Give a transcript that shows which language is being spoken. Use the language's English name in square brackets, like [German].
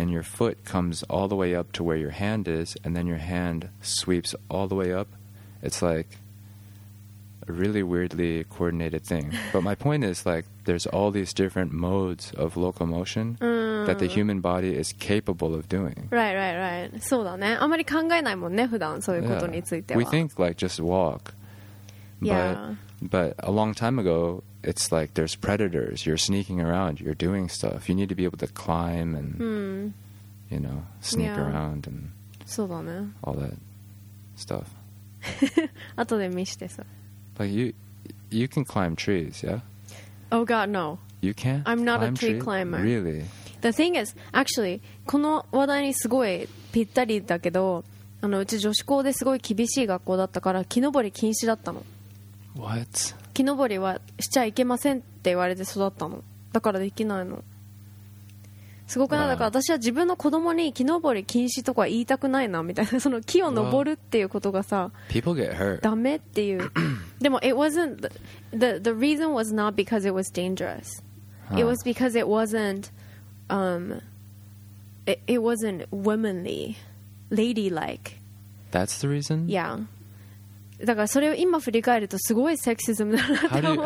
[English] And your foot comes all the way up to where your hand is. And then your hand sweeps all the way up. It's like really weirdly coordinated thing. But my point is, like, there's all these different modes of locomotion that the human body is capable of doing. Right, right, right. [Japanese] そうだね。あまり考えないもんね、普段そういうことについては。 [English] We think, like, just walk. But, but a long time ago, it's like there's predators. You're sneaking around. You're doing stuff. You need to be able to climb and, you know, sneak around and [Japanese] そうだね。 [English] all that stuff. [Japanese] 後で見してさ。 [English] Like you can climb trees, yeah? Oh god, no. You can't? I'm not a tree climber. Really? The thing is, actually, [Japanese] この話題にすごいぴったりだけど、あのうち女子校ですごい厳しい学校だったから木登り禁止だったの。 [English] What? [Japanese] 木登りはしちゃいけませんって言われて育ったの。だからできないの。すごくない？だから私は自分の子供に木登り禁止とか言いたくないなみたいな、その木を登るっていうことがさ、 [English] people get hurt. [Japanese] ダメっていう。でも [English] it wasn't the reason was not because it was dangerous. It was because it wasn't it wasn't womanly, ladylike. That's the reason? Yeah. [Japanese] だからそれを今振り返るとすごいセクシズムだなって思う。